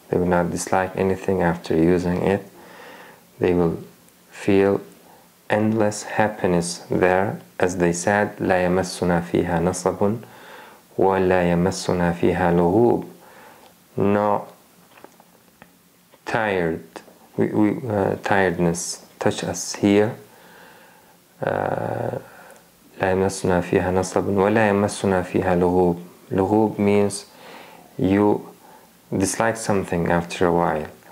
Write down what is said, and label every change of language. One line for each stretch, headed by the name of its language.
English: They will not dislike anything after using it. They will feel endless happiness there. As they said,
Arabic: لَا يَمَسُّنَا فِيهَا نَصَبٌ وَلَا يَمَسُّنَا فِيهَا لُغُوبٌ.
English: No tired, tiredness touch us here.
Arabic: لَا يَمَسُّنَا فِيهَا نَصَبٌ وَلَا يَمَسُّنَا فِيهَا لُغُوبٌ.
English: لُغُوبٌ means you dislike something after a while.